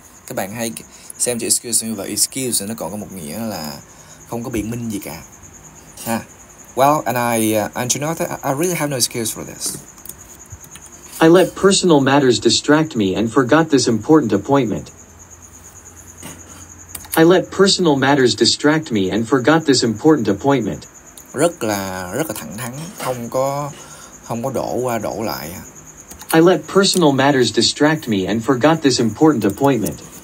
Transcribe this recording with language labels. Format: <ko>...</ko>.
<vi>Các bạn hay xem chữ excuse me và excuse nó còn có một nghĩa là không có biện minh gì cả. Ha.</vi> <en>Well, and I really have no excuse for this. I let personal matters distract me and forgot this important appointment. I let personal matters distract me and forgot this important appointment.</en> <vi>Rất là thẳng thắn, không có đổ qua đổ lại.</vi> <en>I let personal matters distract me and forgot this important appointment.</en>